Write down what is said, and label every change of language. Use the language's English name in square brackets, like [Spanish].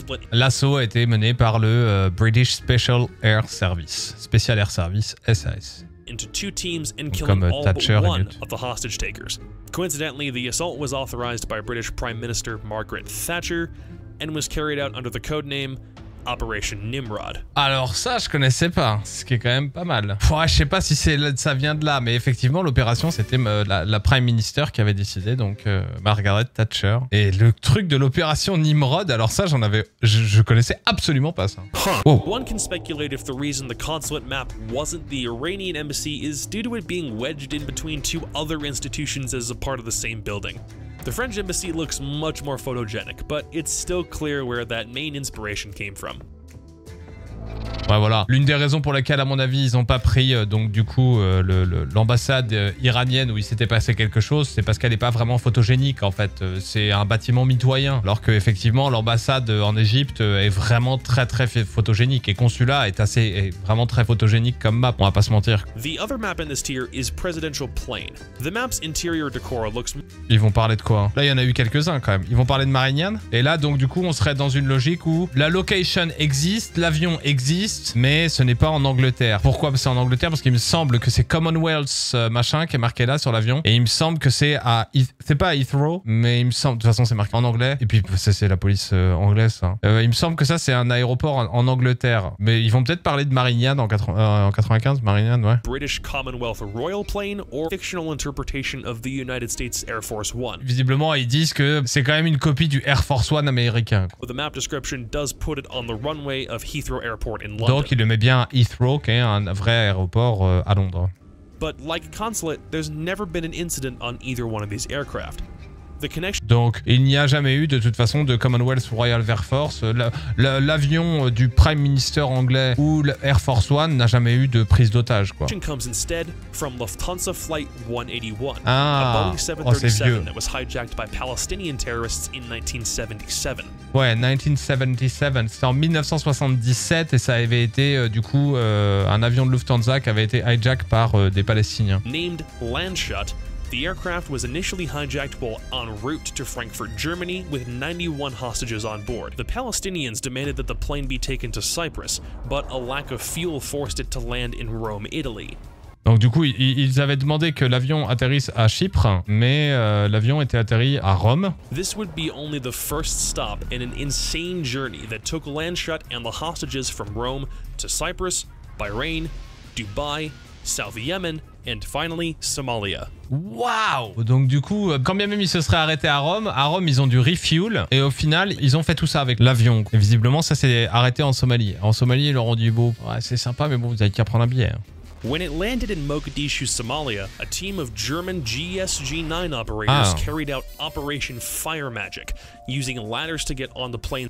[French] L'assaut a été mené par le British Special Air Service, Special Air Service SAS. [English] Into two teams and killing all but one of the hostage takers. Coincidentally, the assault was authorized by British Prime Minister Margaret Thatcher and was carried out under the code name Operation Nimrod. [French] Alors ça, je connaissais pas, ce qui est quand même pas mal. Ouais, je sais pas si ça vient de là, mais effectivement, l'opération, c'était la Prime Minister qui avait décidé, donc Margaret Thatcher. Et le truc de l'opération Nimrod, alors ça, je connaissais absolument pas ça. Huh. Oh. [English] One can speculate if the reason the consulate map wasn't the Iranian embassy is due to it being wedged in between two other institutions as a part of the same building. The French embassy looks much more photogenic, but it's still clear where that main inspiration came from. [French] Ouais, voilà. L'une des raisons pour laquelle, à mon avis, ils n'ont pas pris donc du coup l'ambassade iranienne où il s'était passé quelque chose, c'est parce qu'elle n'est pas vraiment photogénique en fait. C'est un bâtiment mitoyen. Alors que effectivement, l'ambassade en Égypte est vraiment très très photogénique et consulat est vraiment très photogénique comme map. On va pas se mentir. [English] The other map in this tier is presidential plane. The map's interior decor looks... [French] Ils vont parler de quoi, hein? Là, il y en a eu quelques-uns quand même. Ils vont parler de Marignane. Et là, donc du coup, on serait dans une logique où la location existe, l'avion existe. Mais ce n'est pas en Angleterre. Pourquoi c'est en Angleterre? Parce qu'il me semble que c'est Commonwealth machin qui est marqué là sur l'avion. Et il me semble que c'est à... C'est pas à Heathrow, mais il me semble... De toute façon, c'est marqué en anglais. Et puis, c'est la police anglaise. Hein. Il me semble que ça, c'est un aéroport en Angleterre. Mais ils vont peut-être parler de Marignane en 95. Marignane, ouais. [English] British Commonwealth Royal Plane or fictional interpretation of the United States Air Force One. [French] Visiblement, ils disent que c'est quand même une copie du Air Force One américain. [English] The map description does put it on the runway of Heathrow Airport. [French] Donc il le met bien à Heathrow, qui est un vrai aéroport à Londres. [English] But like consulate, there's never been an incident on either one of these aircraft. [French] Donc, il n'y a jamais eu de toute façon de Commonwealth Royal Air Force. L'avion du Prime Minister anglais ou l'Air Force One n'a jamais eu de prise d'otage, quoi. [English] Comes instead from Lufthansa Flight 181, ah, a Boeing 737 that was hijacked by Palestinian terrorists in 1977. [French] Ouais, 1977, c'était en 1977 et ça avait été un avion de Lufthansa qui avait été hijacked par des Palestiniens. [English] Named Landshut, the aircraft was initially hijacked while en route to Frankfurt, Germany, with 91 hostages on board. The Palestinians demanded that the plane be taken to Cyprus, but a lack of fuel forced it to land in Rome, Italy. [French] Donc du coup, ils avaient demandé que l'avion atterrisse à Chypre, mais l'avion était atterri à Rome. [English] This would be only the first stop in an insane journey that took Landshut and the hostages from Rome to Cyprus, Bahrain, Dubai, South Yemen, and finally Somalia. Wow! [French] Donc du coup, quand bien même ils se seraient arrêtés à Rome ils ont dû refuel et au final ils ont fait tout ça avec l'avion. Et visiblement ça s'est arrêté en Somalie. En Somalie ils leur ont dit bon, ouais, c'est sympa mais bon vous avez qu'à prendre un billet. [English] When it landed in Mogadishu, Somalia, a team of German GSG-9 operators carried out Operation Fire Magic, using ladders to get on the plane.